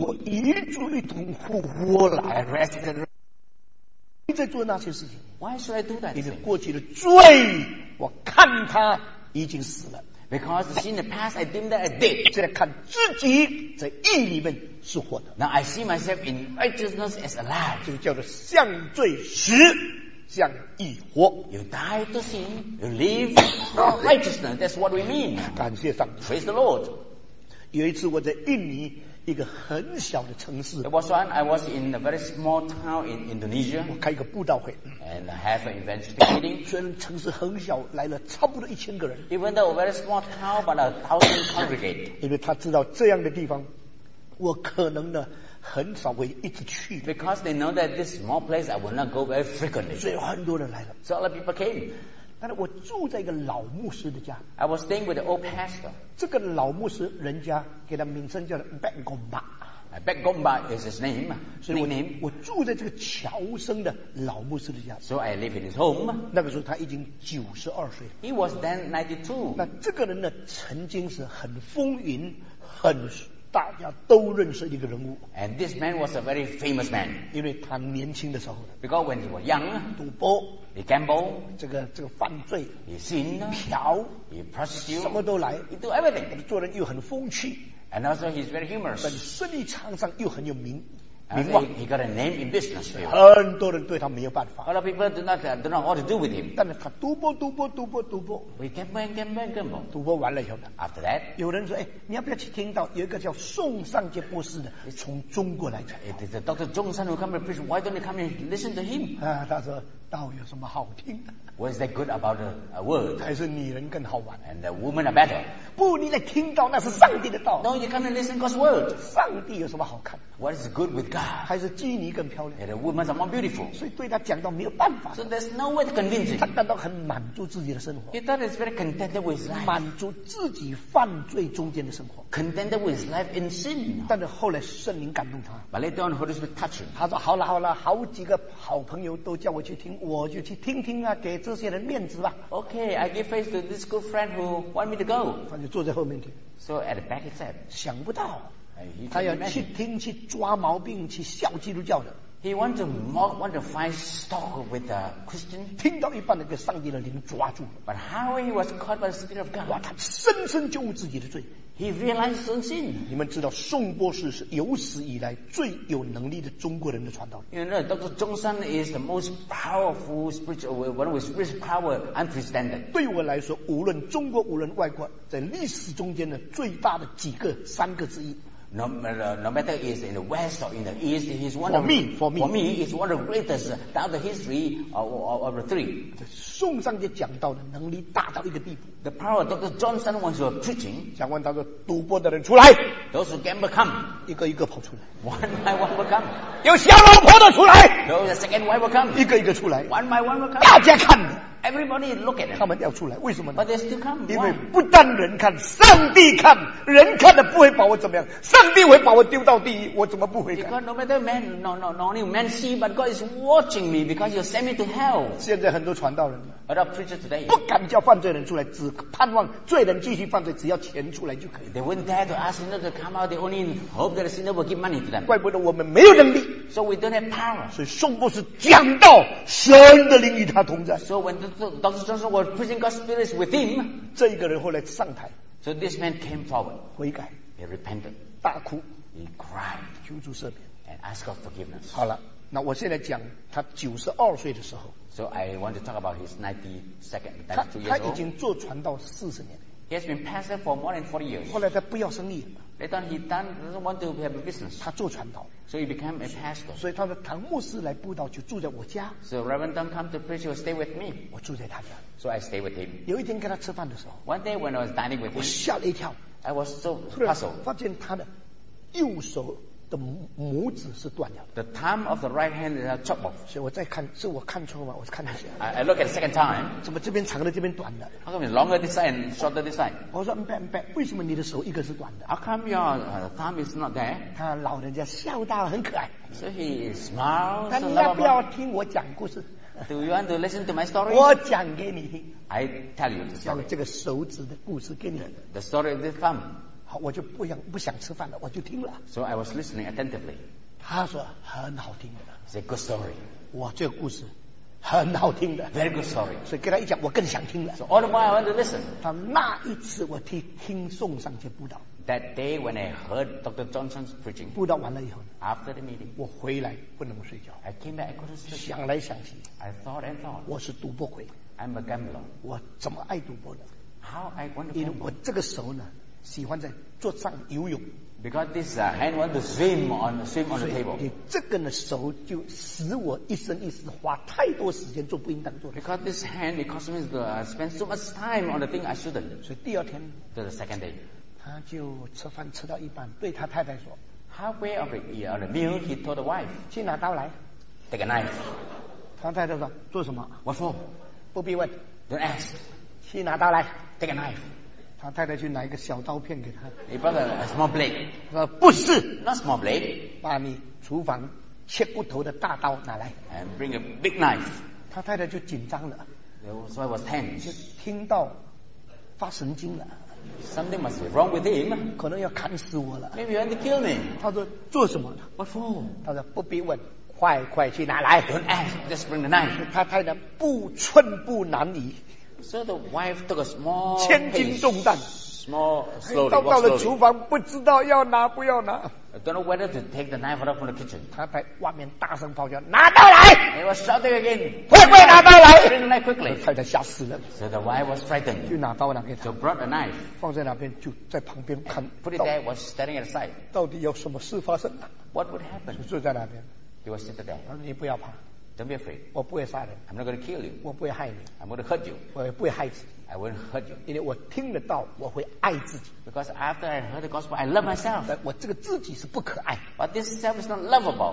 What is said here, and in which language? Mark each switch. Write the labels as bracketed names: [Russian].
[Chinese] 我一句从复活来 ，resurrection。你在做那些事情 [English] ？Why should I do that？ [Chinese] 你的过去的罪，我看他已经死了。 [English] Because in the past I deemed that I did。 [Chinese] 现在看自己在义里面是活的。 [English] Now I see myself in righteousness as alive。 [Chinese] 这个叫做向罪死，向义活。 [English] You die to sin, you live for righteousness. That's what we mean。 [Chinese] 感谢上帝。 [English] Praise the Lord。 [Chinese] 有一次我在印尼。一个很小的城市。 [English] There was one. I was in a very small town in Indonesia. [Chinese] 我开一个布道会。 [English] And I have an evangelistic meeting. [Chinese] 虽然城市很小，来了差不多一千个人。 [English] Even though a very small town, but 1,000 congregate. [Chinese] 因为他知道这样的地方，我可能呢很少会一直去。 [English] Because they know that this small place, I will not go very frequently. [Chinese] 所以很多人来了。 [English] So a lot of people came. [Chinese] 但是我住在一个老牧师的家。 [English] I was staying with an old pastor. [Chinese] 这个老牧师人家给他名称叫做 Bek Gomba. [English] Bek Gomba is his name. [Chinese] 所以我住在这个乔生的老牧师的家。 [English] So I live in his home. [Chinese] 那个时候他已经92岁了。 [English] He was then 92. [Chinese] 那这个人呢，曾经是很风云，很大家都认识一个人物。 [English] And this man was a very famous man. [Chinese] 因为他年轻的时候。 [English] Because when he was young. [Chinese] 赌博。 [English] He gambled, [Chinese] 这个犯罪， [English] he sinned, [Chinese] 嫖， [English] he prostitute, [Chinese] 什么都来， [English] he do everything. [Chinese] 他做人又很风趣， [English] and also he's very humorous. [Chinese] 但生意场上又很有名。 [English] He got a name in business. [Chinese] 很多人对他没有办法。 [English] A lot of people do not know what to do with him. [Chinese] 但是他赌博。 [English] We gamble. [Chinese] 赌博完了以后呢 [English] ？After that, [Chinese] 有人说，哎，你要不要去听到有一个叫宋尚杰博士的从中国来讲 [English] ？It's a Dr. Zhong San who come and preach. Why don't you come and listen to him? [Chinese] 啊，他说道有什么好听的 [English] ？What is that good about a word? [Chinese] 还是女人更好玩 [English] ？And the woman are better. [Chinese] 不，你来听到那是上帝的道。 [English] No, you come and listen God's word. [Chinese] 上帝有什么好看的 [English] ？What is good with God? [Chinese] 还是基尼更漂亮 [English] ？And the women are more beautiful. [Chinese] 所以对他讲到没有办法。 [English] So there's no way to convince him. [Chinese] 他感到很满足自己的生活。 [English] He thought he's very contented with life. [Chinese] 满足自己犯罪中间的生活。 [English] Contented with life in sin. [Chinese] 但是后来圣灵感动他。 [English] But later on, Holy Spirit touched him. [Chinese] 他说好了，好几个好朋友都叫我去听，我就去听听啊，给这些人面子吧。 [English] Okay, I give face to this good friend who want me to go. [Chinese] 他就坐在后面听。 [English] So at the back he said, [Chinese] 想不到。 [English] Hey, [Chinese] 他要去听，去抓毛病，去笑基督教的。 [English] He want to mock, want to find stock with a Christian. [Chinese] 听到一半的，给上帝的灵抓住了。 [English] But how he was caught by the Spirit of God? [Chinese] 哇，他深深就悟自己的罪。 [English] He realized his sin. [Chinese] 你们知道，宋博士是有史以来最有能力的中国人的传道人。 [English] You know, Dr. Zhong San is the most powerful spiritual one with spiritual power unprecedented. [Chinese] 对我来说，无论中国，无论外国，在历史中间的最大的几个三个之一。 [English] No matter is in the west or in the east, he's one of for me is one of the greatest throughout the history of the three. [Chinese] 宋尚杰讲道的能力大到一个地步。 [English] The power of Dr. Johnson was preaching. [Chinese] 讲完他说，赌博的人出来。 [English] Those who gamble come. [Chinese] 一个一个跑出来。 [English] One by one will come. [Chinese] 有小老婆的出来。 [English] Those the second wife will come. [Chinese] 一个一个出来。 [English] One by one will come. [Chinese] 大家看。 [English] Everybody look at [Chinese] them. 他们要出来，为什么呢 [English] ？But they still come. [Chinese] 因为不但人看，上帝看。人看的不会把我怎么样，上帝会把我丢到地狱，我怎么不会看 [English] ？Because no matter man, no only man see, but God is watching me because you send me to hell. [Chinese] 现在很多传道人 [English] ，But our preacher today [Chinese] 不敢叫犯罪人出来，只盼望罪人继续犯罪，只要钱出来就可以。 [English] They wouldn't dare to ask sinner to come out. They only hope that sinner will give money to them. [Chinese] 怪不得我们没有能力 [English] ，So we don't have power. [Chinese] 所以宋博士讲道，神的灵与他同在。 [English] So when Dr. Johnson was preaching God's spirit with him. [Chinese] 这一个人后来上台。 [English] So this man came forward. [Chinese] 悔改。 [English] He repented. [Chinese] 大哭。 [English] He cried. [Chinese] 求主赦免。 [English] And ask God forgiveness. [Chinese] 好了，那我现在讲他九十二岁的时候。 [English] So I want to talk about his 92nd. [Chinese] 他已经做传道四十年。 [English] He has been pastor for more than 40 years. [Chinese] 后来他不要生意。 [English] Later he doesn't want to have a business. [Chinese] 他做传道。 [English] So he became a pastor. [Chinese] 所以他的唐牧师来布道就住在我家。 [English] So Reverend Dunn come to preach, he'll stay with me. [Chinese] 我住在他家。 [English] So I stay with him. [Chinese] 有一天跟他吃饭的时候。 [English] One day when I was dining with him. [Chinese] 我吓了一跳。 [English] I was so puzzled. [Chinese] 发现他的右手的拇指是断掉的。 [English] The thumb of the right hand is chopped off. [Chinese] 所以我再看，是我看错吗？我看那些。 [English] I look at the second time. [Chinese] 怎么这边长的，这边短的 [English] ？How come it's longer this side and shorter this side? [Chinese] 我说 ，Ben， 为什么你的手一个是短的 [English] ？How come your thumb is not there? [Chinese] 他老人家笑到很可爱。 [English] So he smiles. [Chinese] 但你要不要听我讲故事 [English] ？Do you want to listen to my story? [Chinese] 我讲给你听。 [English] I tell you the story. [Chinese] 讲这个手指的故事给你。 [English] The story of this thumb. [Chinese] 好，我就不想吃饭了，我就听了。 [English] So I was listening attentively. [Chinese] 他说很好听的。 [English] It's a good story. [Chinese] 哇，这个故事很好听的。 [English] Very good story. [Chinese] 所以跟他一讲，我更想听了。 [English] So all the while I want to listen. [Chinese] 从那一次我听宋尚杰布道。 [English] That day when I heard Dr. Johnson's preaching. [Chinese] 布道完了以后。 [English] After the meeting. [Chinese] 我回来不能睡觉。 [English] I came back I couldn't sleep. [Chinese] 想来想去。 [English] I thought and thought. [Chinese] 我是赌博鬼。 [English] I'm a gambler. [Chinese] 我怎么爱赌博呢？ [English] How I want to. [Chinese] 因为我这个时候呢，喜欢在桌上游泳。 [English] Because this hand want to swim on the table. [Chinese] 你这个呢手就使我一生一世花太多时间做不应当做的。 [English] Because this hand it causes me to spend so much time on the thing I shouldn't. [Chinese] 所以第二天。 [English] So the second day. [Chinese] 他就吃饭吃到一半，对他太太说。 [English] Halfway of the meal, he told the wife. [Chinese] 去拿刀来。 [English] Take a knife. [Chinese] 他太太说做什么 [English] ？What for？ [Chinese] 不必问。 [English] Don't ask. [Chinese] 去拿刀来。 [English] Take a knife. [Chinese] 他太太去拿一个小刀片给他。 [English] He brought a small blade. [Chinese] 说不是 [English] ，not small blade. [Chinese] 把你厨房切骨头的大刀拿来。 [English] And bring a big knife. [Chinese] 他太太就紧张了。 [English] So I was tense. [Chinese] 就听到发神经了。 [English] Something must be wrong with him. [Chinese] 可能要砍死我了。 [English] Maybe you want to kill me. [Chinese] 他说做什么 [English] ？What for? [Chinese] 他说不必问。快快去拿来。 [English] Don't ask. Just bring the knife. [Chinese] 他太太不寸步难移。 [English] So the wife took a small pace, [Chinese] 千斤重担 [English] small, slowly, [Chinese] 到了厨房不知道要拿不要拿 [English] I don't know whether to take the knife from the kitchen [Chinese] 他在外面大声咆哮拿刀来 [English] He was shouting again [Chinese] 快快拿刀来 [English] Bring the knife quickly [Chinese] 他太太吓死了 [English] So the wife was frightened [Chinese] 就拿刀拿给他 [English] So brought the knife [Chinese] 放在那边就在旁边看 [English] Put it there, was standing at the side [Chinese] 到底有什么事发生 [English] What would happen [Chinese] 就在那边 [English] He was sitting there [Chinese] 他说你不要怕 [English] Don't be afraid. [Chinese] 我不会杀人。 [English] I'm not going to kill you. [Chinese] 我不会害你。 [English] I'm going to hurt you. [Chinese] 我也不会害自己。 [English] I won't hurt you. [Chinese] 因为我听得到，我会爱自己。 [English] Because after I heard the gospel, I love myself. [Chinese] 我这个自己是不可爱。 [English] But this self is not lovable.